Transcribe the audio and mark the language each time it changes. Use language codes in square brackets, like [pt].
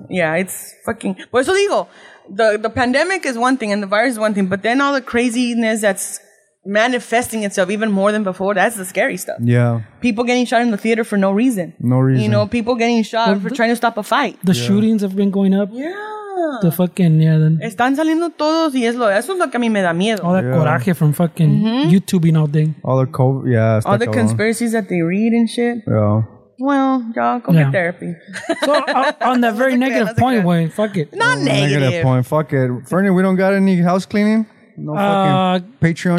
[en] Yeah, it's fucking. [es] Por eso digo, [en] the pandemic is one thing and the virus is one thing, but then all the craziness that's manifesting itself even more than before, that's the scary stuff. Yeah. People getting shot in the theater for no reason. No reason. You know, people getting shot for trying to stop a fight. The shootings have been going up. Yeah. The fucking, then. [es] Están saliendo todos y eso es lo que a mí me da miedo. [en] All that coraje from fucking YouTubing all day. All the COVID, all the conspiracies that they read and shit. Yeah. Well, y'all go get therapy. So, on that very negative point, Wayne, fuck it. Not negative. Negative point, fuck it. Fernie, we don't got any house cleaning? No fucking Patreon